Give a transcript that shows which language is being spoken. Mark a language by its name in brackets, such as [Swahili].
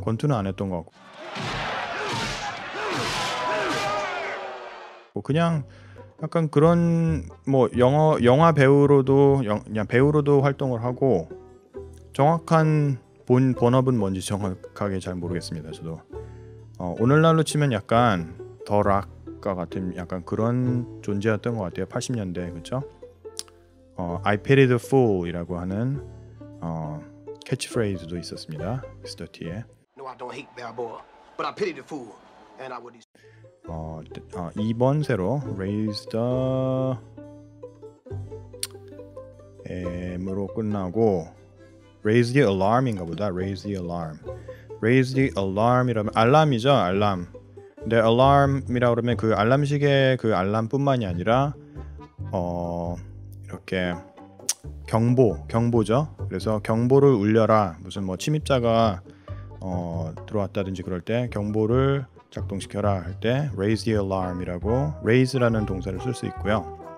[Korean] 권투는 안 했던 것 같고 뭐 그냥 약간 그런 뭐 영화 배우로도 그냥 배우로도 활동을 하고 정확한 본업은 뭔지 정확하게 잘 모르겠습니다. 저도 오늘날로 치면 약간 더 락과 같은 약간 그런 존재였던 것 같아요. 80년대 그렇죠? [English] I pity the fool [Korean] 이라고 하는 캐치프레이즈도 있었습니다. 미스터 T의 [English] No, I don't hate that boy, but I pity the fool, and I would. [Korean] 2번 새로 raise the M으로 끝나고 raise the alarm인가 보다. [English] raise the alarm. [Korean] raise the alarm이라면 알람이죠. 알람. 근데 alarm이라고 그러면 그 알람 시계 그 알람뿐만이 아니라 이렇게 경보죠. 그래서 경보를 울려라. 무슨 뭐 침입자가 들어왔다든지 그럴 때 경보를 작동시켜라 할 때 raise the alarm이라고 raise라는 동사를 쓸 수 있고요.